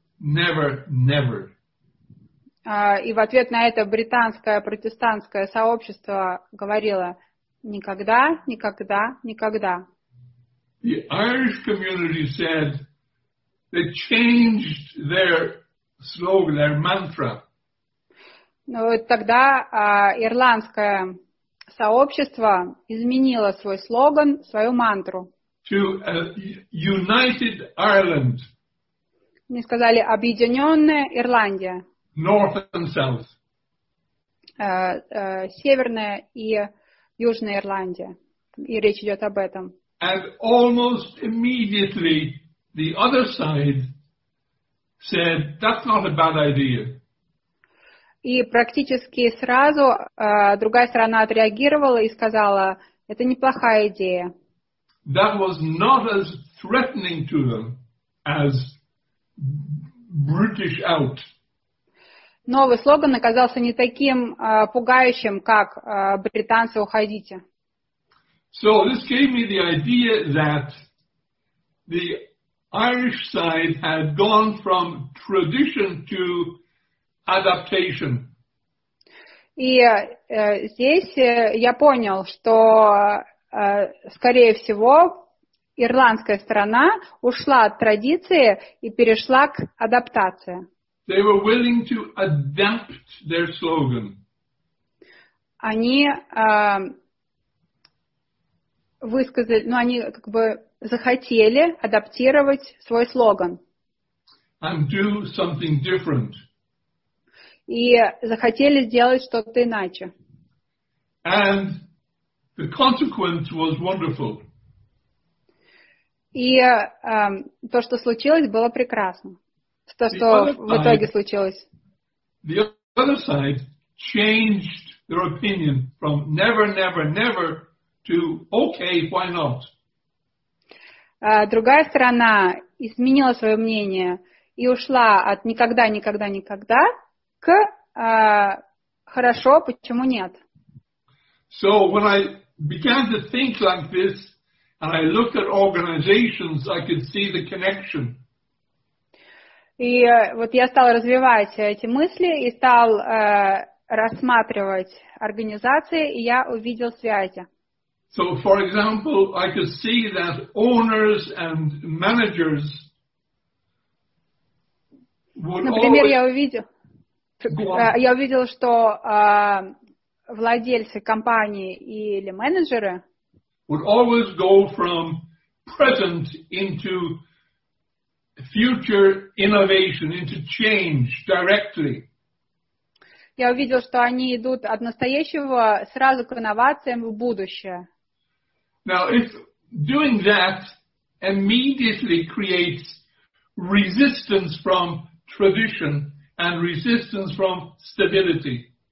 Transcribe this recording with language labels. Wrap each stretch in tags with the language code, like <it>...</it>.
<en>Never, never.</en> <ru>И в ответ на это британское протестантское сообщество говорило: никогда, никогда, никогда.</ru> <en>The Irish community said they changed their slogan, their mantra.</en> <ru>Ну, тогда ирландское сообщество изменило свой слоган, свою мантру.</ru> <en>To a United Ireland.</en> <ru>Мне сказали: объединенная Ирландия.</ru> <en>North and South.</en> <ru>Северная и Южная Ирландия. И речь идет об этом.</ru> <en>And almost immediately the other side said, that's not a bad idea.</en> <ru>И практически сразу другая сторона отреагировала и сказала: это неплохая идея.</ru> <en>That was not as threatening to them as British out.</en> <ru>Новый слоган оказался не таким пугающим, как британцы, уходите.</ru> <en>So this gave me the idea that the Irish side had gone from tradition to adaptation.</en> <ru>И здесь я понял, что скорее всего ирландская сторона ушла от традиции и перешла к адаптации.</ru> <en>They were willing to adapt their slogan.</en> <ru>Они высказали, ну, они как бы захотели адаптировать свой слоган.</ru> <en>And do something different.</en> <ru>И захотели сделать что-то иначе.</ru> <en>And the consequence was wonderful.</en> <ru>И то, что случилось, было прекрасно. То, что в итоге случилось.</ru> <en>The other side changed their opinion from never, never, never to okay, why not?</en> <ru>Другая сторона изменила свое мнение и ушла от никогда, никогда, никогда к хорошо, почему нет?</ru> <en>So when I began to think like this, and I looked at organizations, I could see the connection.</en> <ru>И вот я стал развивать эти мысли и стал рассматривать организации, и я увидел связи.</ru> <en>So, for example, I could see that owners and managers would</en> <ru>Например,</ru> <en>always...</en> <ru>я увидел, что владельцы компании или менеджеры</ru> <en>would always go from present into future innovation, into change directly.</en> <ru>Я увидел, что они идут от настоящего сразу к инновациям в будущее.</ru> <en>Now, if doing that immediately creates resistance from tradition and resistance from stability.</en>